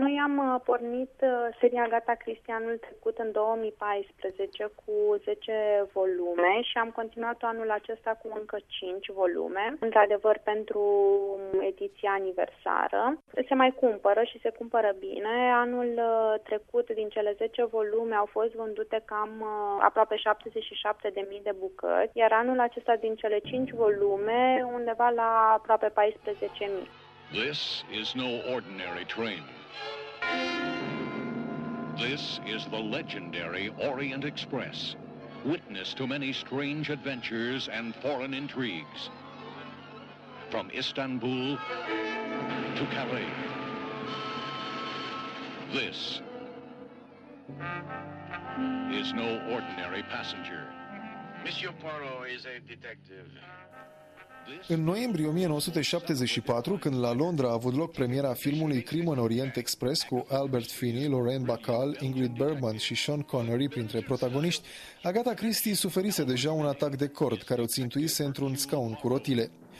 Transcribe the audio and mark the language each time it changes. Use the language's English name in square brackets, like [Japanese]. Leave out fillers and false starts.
[Romanian] Noi am pornit seria Agatha Christie anul trecut, în 2014, cu 10 volume și am continuat-o anul acesta cu încă 5 volume, într-adevăr pentru ediția aniversară. Se mai cumpără și se cumpără bine. Anul trecut, din cele 10 volume, au fost vândute cam aproape 77.000 de bucăți, iar anul acesta, din cele 5 volume, undeva la aproape 14.000. [English] This is no ordinary train. This is the legendary Orient Express. Witness to many strange adventures and foreign intrigues. From Istanbul to Calais. This is no ordinary passenger. Monsieur Poirot is a detective. [Romanian] În noiembrie 1974, când la Londra a avut loc premiera filmului Crimă în Orient Express cu Albert Finney, Lorraine Bacall, Ingrid Bergman și Sean Connery printre protagoniști, Agatha Christie suferise deja un atac de cord care o țintuise într-un scaun cu rotile.